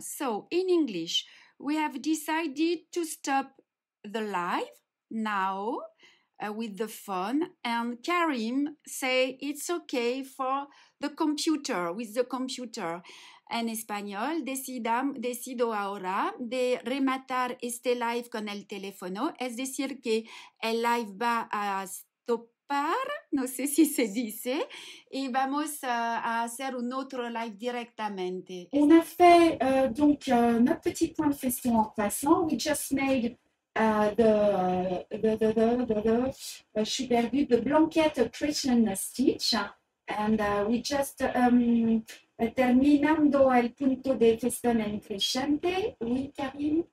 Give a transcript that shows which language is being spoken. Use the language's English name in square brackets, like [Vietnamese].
[English] So, in English, we have decided to stop the live now with the phone. And Karim say it's okay for the computer, with the computer. [Spanish] En español, decido ahora de rematar este live con el teléfono. Es decir que el live va a stopar, no sé si se dice, y vamos a hacer un otro live directamente. [French] On a fait donc notre petit point de question en passant. [English] We just made the blanquette Christian stitch, and we just [Spanish] terminando el punto de festón en crescente, [English] oui, Karim.